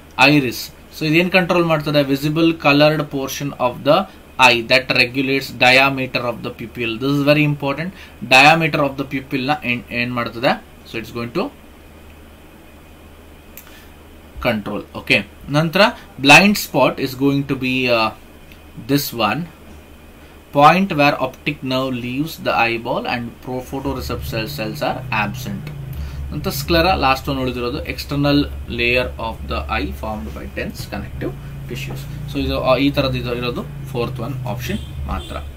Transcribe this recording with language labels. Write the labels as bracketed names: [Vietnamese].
[English] iris, [Kannada] so ಇದೇನು control ಮಾಡ್ತದೆ, [English] Visible coloured portion of the eye that regulates diameter of the pupil. This is very important, diameter of the pupil ನ [Kannada] ಏನ್ ಮಾಡ್ತದೆ, [English] So it's going to control. Okay, ನಂತರ blind spot is going to be this one point where optic nerve leaves the eyeball and photoreceptor cells are absent. [Kannada] ಅಂತ ಸ್ಕ್ಲರ last one ಉಳಿದಿರೋದು, [English] External layer of the eye formed by dense connective tissues. [Kannada] So ಇದು ಈ ಥರದ್ದು ಇದು ಇರೋದು fourth one option ಮಾತ್ರ.